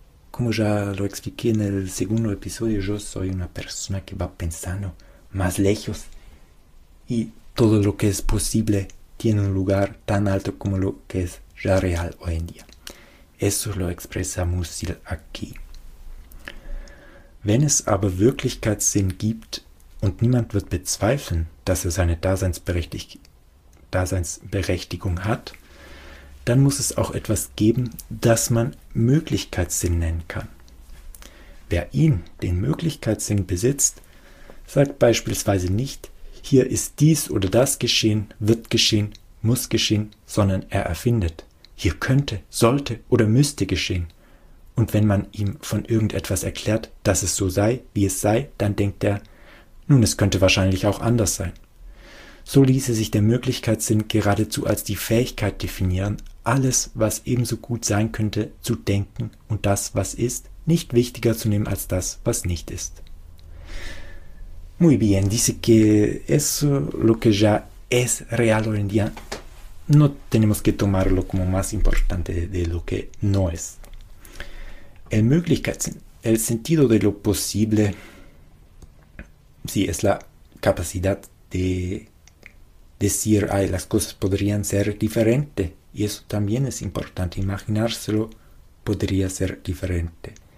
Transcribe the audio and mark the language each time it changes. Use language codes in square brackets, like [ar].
[es] Como ya lo expliqué en el segundo episodio, yo soy una persona que va pensando más lejos y todo lo que es posible tiene un lugar tan alto como lo que es ya real hoy en día. Eso lo expresa Musil aquí. [de] Wenn es aber Wirklichkeitssinn gibt und niemand wird bezweifeln, dass es eine Daseinsberechtigung hat, dann muss es auch etwas geben, das man Möglichkeitssinn nennen kann. Wer ihn, den Möglichkeitssinn, besitzt, sagt beispielsweise nicht, hier ist dies oder das geschehen, wird geschehen, muss geschehen, sondern er erfindet, hier könnte, sollte oder müsste geschehen. Und wenn man ihm von irgendetwas erklärt, dass es so sei, wie es sei, dann denkt er, nun, es könnte wahrscheinlich auch anders sein. So ließe sich der Möglichkeitssinn geradezu als die Fähigkeit definieren, alles, was ebenso gut sein könnte, zu denken und das, was ist, nicht wichtiger zu nehmen als das, was nicht ist. [es] Muy bien, dice que eso, lo que ya es real hoy en día, no tenemos que tomarlo como más importante de lo que no es. El Möglichkeitssinn, el sentido de lo posible, sí, es la capacidad de decir, ay, las cosas podrían ser diferentes, y eso también es importante, imaginárselo podría ser diferente.